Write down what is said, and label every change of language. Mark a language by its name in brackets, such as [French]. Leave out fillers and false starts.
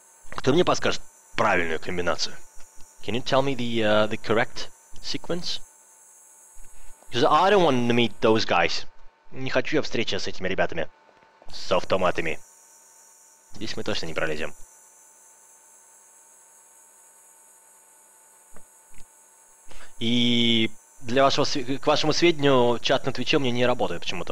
[Russian] Кто мне подскажет правильную комбинацию? [English] Can you tell me the correct sequence? Because I don't want to meet those guys. [Russian] Не хочу я встречи с этими ребятами. С автоматами. Здесь мы точно не пролезем. И для вашего к вашему сведению, чат на Твиче у меня не работает почему-то.